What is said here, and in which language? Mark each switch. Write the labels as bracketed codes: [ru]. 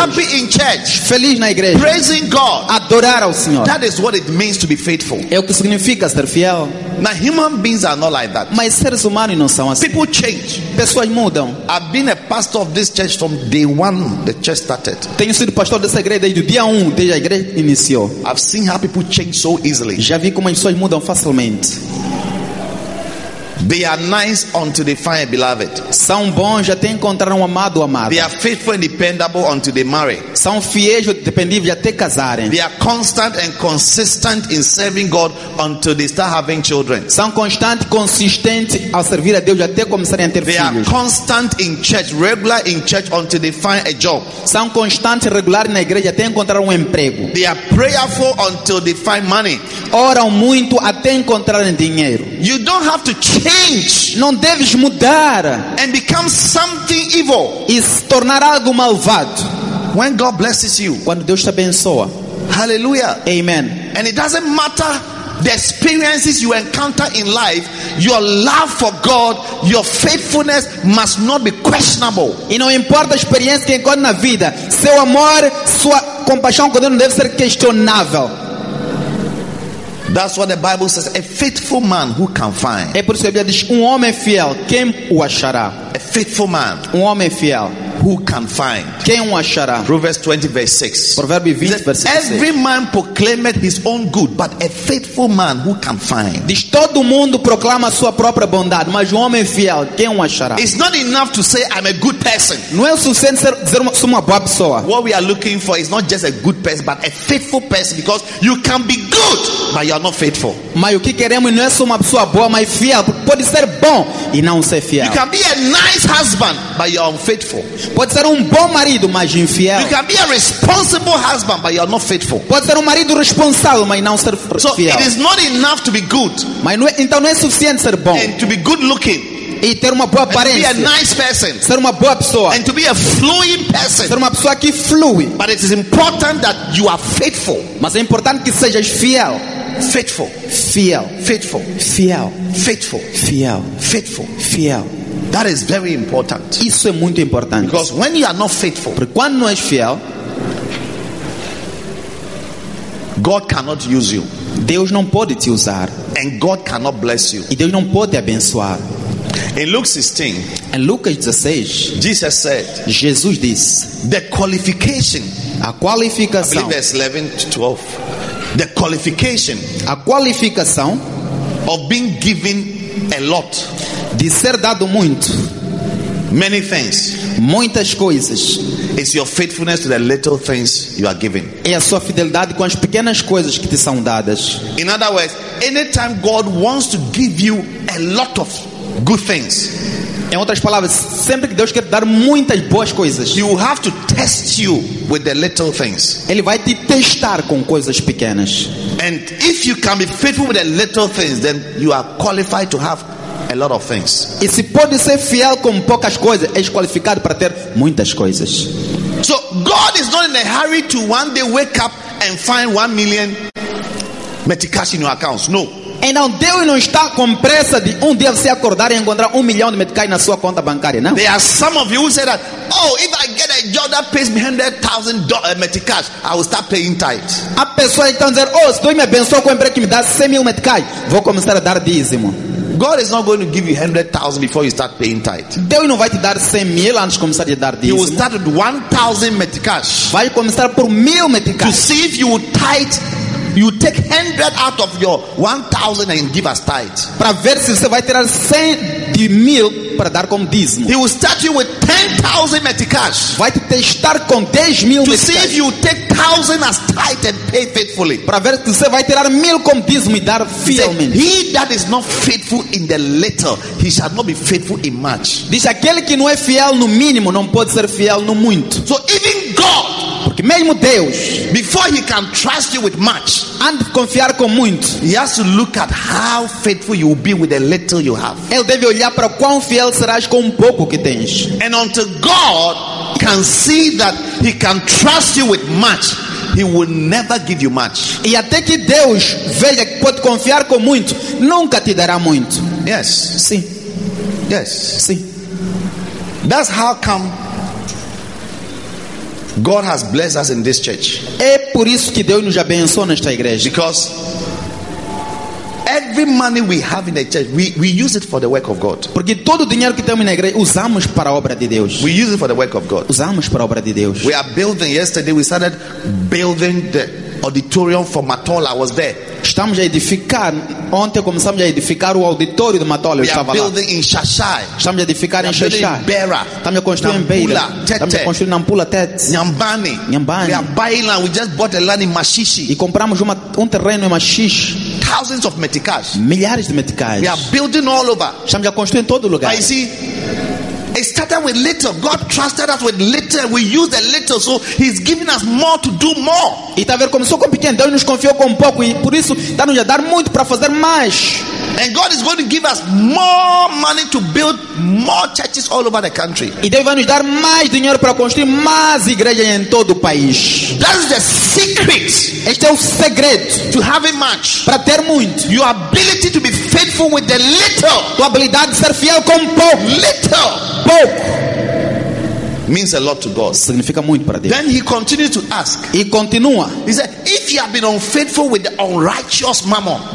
[en] Happy in church. [pt] Feliz na igreja. [en] Praising God. [pt] Adorar ao Senhor. [en] That is what it means to be faithful. [pt] É o que significa ser fiel. [en] Now human beings are not like that. [pt] Mas seres humanos não são assim. [en] People change. [pt] Pessoas mudam. [en] I've been a pastor of this church from day one the church started. [pt] Tenho sido pastor dessa igreja desde o dia 1, desde a igreja iniciou. [en] I've seen how people change so easily. [pt] Já vi como as pessoas mudam facilmente. [en] They are nice until they find a beloved. [pt] São bons até encontrar amado ou amada. [en] They are faithful and dependable until they marry. [pt] São fiéis e dependíveis até casarem. [en] They are constant and consistent in serving God until they start having children. [pt] São constantes e consistentes ao servir a Deus até começarem a ter filhos. [en] They are constant in church, regular in church until they find a job. [pt] São constantes e regulares na igreja até encontrar emprego. [en] They are prayerful until they find money. [pt] Oram muito até encontrarem dinheiro. [en] You don't have to change. [pt] Não deves mudar [en] and become something evil. [pt] E se tornar algo malvado. [en] When God blesses you. [pt] Quando Deus te abençoa. [en] Hallelujah. [pt] Amen. [en] And it doesn't matter the experiences you encounter in life, your love for God, your faithfulness must not be questionable. [pt] E não importa a experiência que encontra na vida, seu amor, sua compaixão com Deus não deve ser questionável. [en] That's what the Bible says. A faithful man who can find. [pt] É por isso que a Bíblia diz um homem fiel quem o achará. [en] A faithful man. [pt] Um homem fiel. [en] Who can find. [pt] Quem o achará. [en] Proverbs 20 verse 6. [pt] Provérbios 20 verse 6. [en] Every man proclaimeth his own good, but a faithful man who can find. [pt] Diz todo mundo proclama a sua própria bondade, mas um homem fiel quem o achará. [en] It's not enough to say I'm a good person. [pt] Não é suficiente dizer sou uma boa pessoa. [en] What we are looking for is not just a good person, but a faithful person, because you can be good, but you are not faithful. [pt] Mas o que queremos não é só uma pessoa boa, mas fiel. Pode ser bom e não ser fiel. [en] You can be a nice husband, but you are unfaithful. [pt] Pode ser bom marido, mas infiel. [en] You can be a responsible husband, but you are not faithful. [pt] Pode ser marido responsável, mas não ser fiel. [en] So it is not enough to be good. [pt] Mas não é, então não é suficiente ser bom. [en] And to be good looking. [pt] E ter uma boa aparência. [en] And to be a nice person. [pt] Ser uma boa pessoa. [en] And to be a fluent person. [pt] Ser uma pessoa que flui. [en] But it is important that you are faithful. [pt] Mas é importante que sejas fiel. [en] Faithful. [pt] Fiel. [en] Faithful. [pt] Fiel. [en] Faithful. [pt] Fiel. [en] Faithful. [pt] Fiel. [en] That is very important. [pt] Isso é muito importante. [en] Because when you are not faithful, [pt] porque quando não és fiel, [en] God cannot use you. [pt] Deus não pode te usar. [en] And God cannot bless you. [pt] E Deus não pode te abençoar. [en] In Luke 16, [pt] em Lucas 16, [en] Jesus said, [pt] Jesus diz, [en] the qualification, [pt] a qualificação, [en] I believe verse 11 to 12, the qualification, [pt] a qualificação, [en] of being given a lot, [pt] de ser dado muito, [en] many things, [pt] muitas coisas, [en] is your faithfulness to the little things you are given, [pt] é a sua fidelidade com as pequenas coisas que te são dadas. [en] In other words, anytime God wants to give you a lot of good things, [pt] em outras palavras, sempre que Deus quer dar muitas boas coisas, [en] you have to test you with the little things. [pt] Ele vai te testar com coisas pequenas. [en] And if you can be faithful with the little things, then you are qualified to have a lot of things. [pt] E se pode ser fiel com poucas coisas, és qualificado para ter muitas coisas. [en] So God is not in a hurry to one day wake up and find 1 million meticash in your accounts. No. [pt] Então Deus não está com pressa de um dia você acordar e encontrar 1 milhão de meticais na sua conta bancária, não? [en] There are some of you who say that, oh, if I get a job that pays me 100,000 meticais, I will start paying tithes. [pt] A pessoa então dizer, oh, se Deus me abençoa com um emprego que me dá 100,000 meticais, vou começar a dar dízimo. [en] God is not going to give you 100,000 before you start paying tithe. [pt] Deus não vai te dar 100,000 antes de começar a dar dízimo. [en] He will start with 1,000 meticais. [pt] Vai começar por 1,000 meticais. [en] To see if you will tithe. You take 100 out of your 1,000 and give as tithe. [pt] Para ver se você vai tirar 100 de 1,000 para dar como dízimo. [en] He will start you with 10,000 meticais. [pt] Vai te testar com 10,000 meticais. [en] To see if you take 1,000 as tithe and pay faithfully. [pt] Para ver se você vai tirar 1,000 como dízimo e dar fielmente. [en] He that is not faithful in the little, he shall not be faithful in much. [pt] Diz aquele que não é fiel no mínimo, não pode ser fiel no muito. [en] So even God, [pt] porque mesmo Deus, [en] before he can trust you with much, [pt] and confiar com muito, [en] he has to look at how faithful you will be with the little you have. [pt] Ele deve olhar para quão fiel serás com o pouco que tens. [en] And until God can see that he can trust you with much, he will never give you much. [pt] E até que Deus veja que pode confiar com muito, nunca te dará muito. [en] Yes. [pt] Sim. [en] Yes. [pt] Sim. [en] That's how come God has blessed us in this church. [pt] É por isso que Deus nos abençoou nesta igreja. [en] Because every money we have in the church, we use it for the work of God. [pt] Porque todo o dinheiro que temos na igreja usamos para a obra de Deus. [en] We use it for the work of God. [pt] Usamos para a obra de Deus. [en] We are building. Yesterday we started building the auditorium for Matola. I was there. [pt] Estamos a edificar. Ontem começamos a edificar o auditório de Matola. Eu [en] we [pt] estava [en] are building [pt] lá. [en] In Shashai. [pt] Estamos a edificar em Shashai. [en] Beira. [pt] Estamos a construir em Beira. Estamos a construir Nampula Tete. [en] Nyambani. [pt] Nyambani. [en] We are buying land. We just bought a land in Mashishi. [pt] E compramos um terreno em Mashishi. [en] Thousands of meticais. [pt] Milhares de meticais. [en] We are building all over. [pt] Estamos a construir em todo lugar. [en] I see. It started with little. God trusted us with little. We used a little, so he's giving us more to do more. [pt] E tá vendo, começou com pequeno, Deus nos confiou com pouco e por isso tá nos a dar muito para fazer mais. [en] And God is going to give us more money to build more churches all over the country. [pt] E Deus vai nos dar mais dinheiro para construir mais igrejas em todo o país. [en] That's the secret. [pt] Este é o segredo [en] to having much. [pt] Para ter muito. [en] Your ability to be faithful with the little. [pt] Tua habilidade de ser fiel com pouco. [en] Little. [pt] Pouco. [en] Means a lot to God. [pt] Significa muito para Deus. [en] Then he continued to ask. [pt] E continua. [en] He said, if you have been unfaithful with the unrighteous mammon.